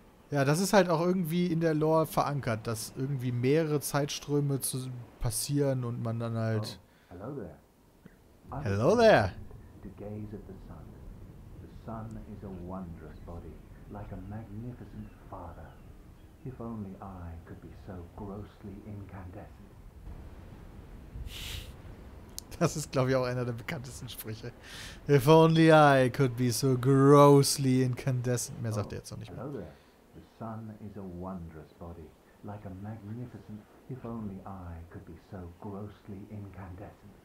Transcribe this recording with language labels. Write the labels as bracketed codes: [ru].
[de] Ja, das ist halt auch irgendwie in der Lore verankert, dass irgendwie mehrere Zeitströme zu passieren und man dann halt... [en] Oh, hello there. Hello there. To gaze at the sun. The sun is a wondrous body, like a magnificent father. If only I could be so grossly incandescent. [de] Das ist, glaube ich, auch einer der bekanntesten Sprüche. [en] If only I could be so grossly incandescent. [de] Mehr sagt er jetzt noch nicht mehr. [en] Hello there. The sun is a wondrous body, like a magnificent. If only I could be so grossly incandescent.